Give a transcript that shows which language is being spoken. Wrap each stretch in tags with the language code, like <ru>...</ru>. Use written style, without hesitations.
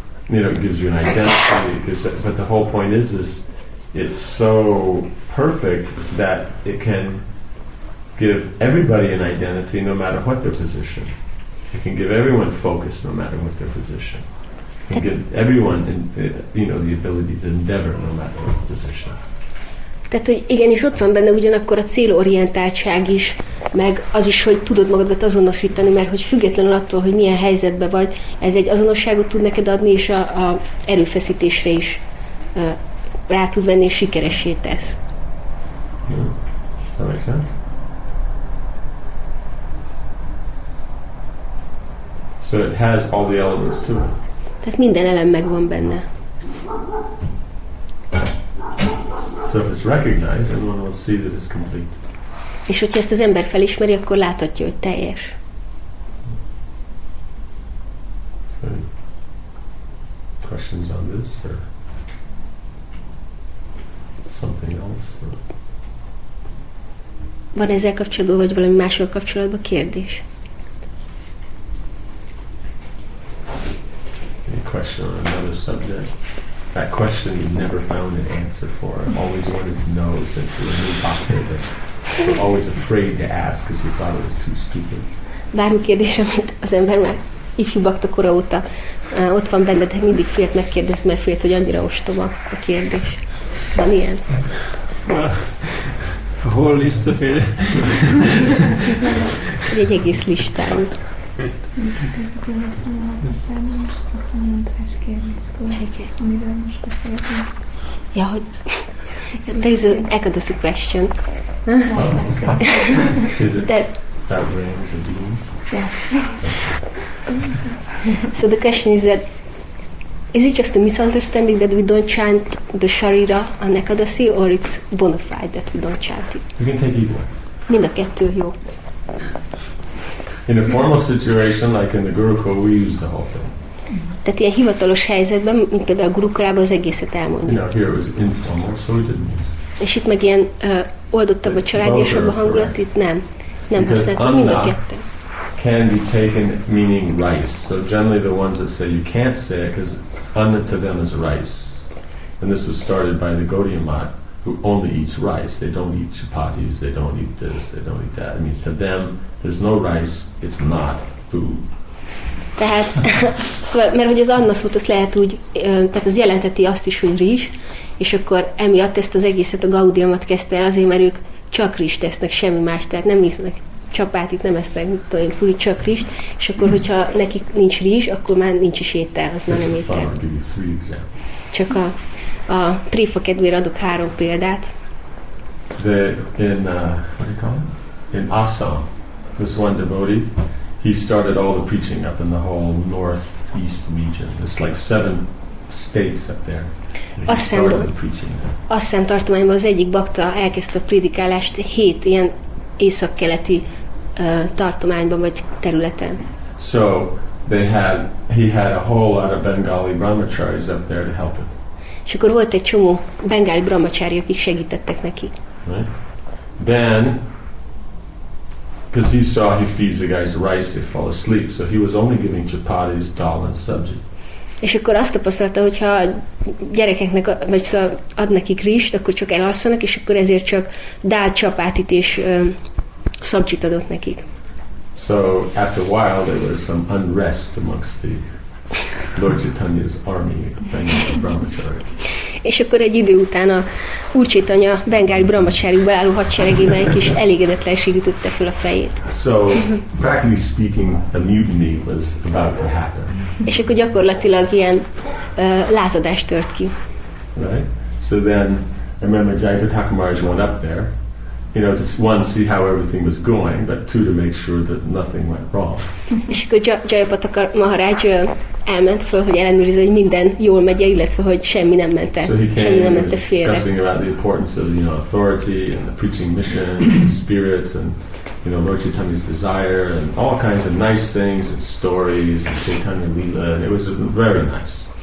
<en>You know, it gives you an identity. But the whole point is it's so perfect that it can give everybody an identity no matter what their position. It can give everyone focus no matter what their position. It can give everyone, you know, the ability to endeavor no matter what position.</en> <hu>Tehát, hogy igen, és ott van benne ugyanakkor a célorientáltság is, meg az is, hogy tudod magadat azonosítani, mert hogy függetlenül attól, hogy milyen helyzetben vagy, ez egy azonosságot tud neked adni, és a erőfeszítésre is rá tud venni, és sikeressé tesz.</hu> <en>Hmm. That makes sense. So it has all the elements too.</en> <hu>Tehát minden elem megvan benne.</hu> <en>So if it's recognized, everyone will see that it's complete.</en> <hu>És hogyha ezt az ember felismeri, akkor láthatja, hogy teljes.</hu> <en>So, questions on this or something else? Or?</en> <hu>Van ezzel kapcsolatban, vagy valami mással kapcsolatban kérdés?</hu> <en>Any question on another subject? That question you never found an answer for. I've always wanted to know since you were a new doctor, but you're always afraid to ask because you thought it was too stupid.</en> <hu>Bármi kérdés, amit az ember már ifjú bakta kora óta ott van benne, de mindig félt megkérdezni, mert félt, hogy annyira ostoba a kérdés. Van ilyen?</hu> <en>A whole list of it.</en> <hu>Egy egész listán.</hu> <en>Yeah, there is an Ekadasi question. Is it that rings or beams? Yeah. So the question is that, is it just a misunderstanding that we don't chant the Sharira on Ekadasi, or it's bona fide that we don't chant it? You can take either.</en> <hu>Mind a kettő jó.</hu> <en>In a formal situation, like in the Gurukul, we use the whole thing.</en> <hu>Tehát ilyen hivatalos helyzetben, mint például a Gurukulában az egészet elmondjuk.</hu> <en>You know, here it was informal, so we didn't use.</en> <hu>És itt meg ilyen oldottabb a családiasabb a hangulat, itt nem. Nem használtam mind a kettő.</hu> <en>Can be taken meaning rice. So generally the ones that say you can't say it, because anna to them is rice. And this was started by the Gaudiya Math, who only eats rice. They don't eat chapatis, they don't eat this, they don't eat that. I mean, to them, there's no rice, it's not food.</en> <hu>Tehát, szóval, mert hogy az anna szót, azt lehet úgy, tehát az jelenteti azt is, hogy rizs, és akkor emiatt ezt az egészet a Gaudiya Math kezdte el, azért, mert ők csak rizs tesznek, semmi más, tehát nem isznek csapátit, nem esznek, mit tudom, puri, csak rizs, és akkor, hogyha nekik nincs rizs, akkor már nincs is étel, az már nem étel. Csak a tréfa kedvére adok három példát.</hu> <en>The, in, in Assam, this one devotee, he started all the preaching up in the whole northeast region. It's like seven states up there.</en> <hu>Assam, Assam tartományban az egyik bakta elkezdte a prédikálást hét ilyen északkeleti tartományban vagy területen.</hu> <en>So they had, he had a whole lot of Bengali brahmacharis up there to help him.</en> <hu>És akkor volt egy csomó bengáli brahmacsári, akik segítettek neki.</hu> <en>Right. Then, because he saw he feeds the guys rice, they fall asleep, so he was only giving chapatis, dal and sabji.</en> <hu>És akkor azt tapasztalta, hogy ha gyerekeknek vagy szóval ad nekik rizst, akkor csak elalszanak, és akkor ezért csak dál, csapátit és sabjit adott nekik.</hu> <en>So after a while, there was some unrest amongst the Lord Chaitanya's army of Bengali brahmacharis.</en> <hu>És akkor egy idő után a Úr Chaitanya bengáli brahmacharikból álló hadseregében egy kis elégedetlenség ütötte fel a fejét.</hu> <en>So, practically speaking, a mutiny was about to happen.</en> <hu>És akkor gyakorlatilag ilyen lázadás tört ki.</hu> <en>Right? So then, I remember Jayapataka Maharaj went up there, you know, just one, see how everything was going, but two, to make sure that nothing went wrong.</en> <hu>És akkor Jayapataka Maharaj elment föl, hogy ellenőrizze, hogy minden jól megye, illetve hogy semmi nem ment el, semmi nem ment a félre.</hu> <en>So he came discussing about the importance of, you know, authority and the preaching mission and the spirit and, you know, Lord Chaitanya's desire and all kinds of nice things and stories and Chaitanya Lila, and it was very nice.</en>